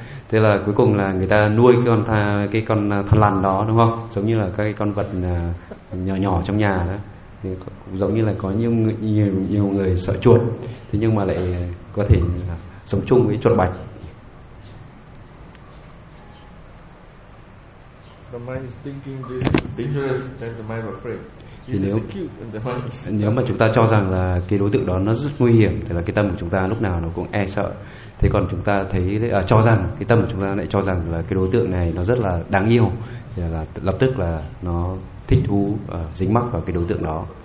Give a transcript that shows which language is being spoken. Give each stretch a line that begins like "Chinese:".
Vietnamese: Thế là cuối cùng là người ta nuôi cái con tha, cái con thằn lằn đó đúng không? Giống như là các cái con vật nhỏ nhỏ trong nhà đó. Thì cũng giống như là có nhiều người sợ chuột, thế nhưng mà lại có thể sống chung với chuột bạch.
English: The mind is thinking dangerous, then the mind afraid.
Vietnamese: Thì nếu mà chúng ta cho rằng là cái đối tượng đó nó rất nguy hiểm thì là cái tâm của chúng ta lúc nào nó cũng e sợ. Thế còn chúng ta thấy cho rằng cái tâm của chúng ta lại cho rằng là cái đối tượng này nó rất là đáng yêu thì là lập tức là nó thích thú dính mắc vào cái đối tượng đó.